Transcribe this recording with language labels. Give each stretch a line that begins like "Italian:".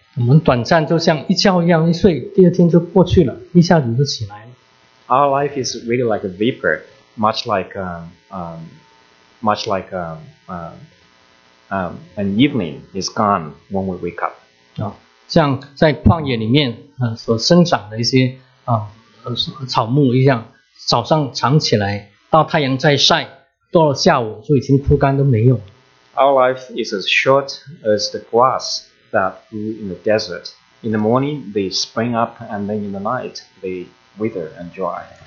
Chinese: 我们短暂就像一觉一样一睡，第二天就过去了，一下子就起来了。
English: Our life is really like a vapor, much like an evening is gone when we wake up.
Chinese: 像在旷野里面所生长的一些草木一样，早上长起来，到太阳再晒，到了下午就已经枯干都没有。
English: Our life is as short as the grass that grew in the desert. In the morning, they spring up, and then in the night, they wither and dry.